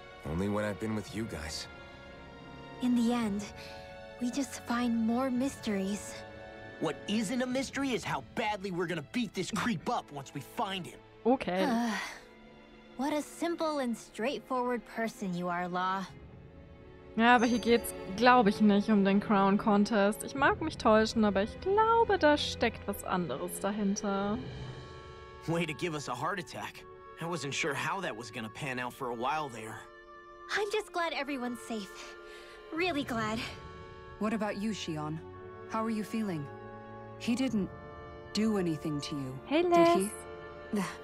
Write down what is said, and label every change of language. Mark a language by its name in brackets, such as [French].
[English] Only when I've been with you guys. In the end, we just find more mysteries. What isn't a mystery is how badly we're gonna beat this creep up once we find him. Okay. What a simple and straightforward person you are, Law. [German] Ja, aber hier geht's, glaube ich, nicht um den Crown Contest. Ich mag mich täuschen, aber ich glaube, da steckt was anderes dahinter. [English] Way to give us a heart attack. I wasn't sure how that was gonna pan out for a while there. I'm just glad everyone's safe. Really glad. What about you, Shion? How are you feeling? He didn't do anything to you, hey, Les. Did he?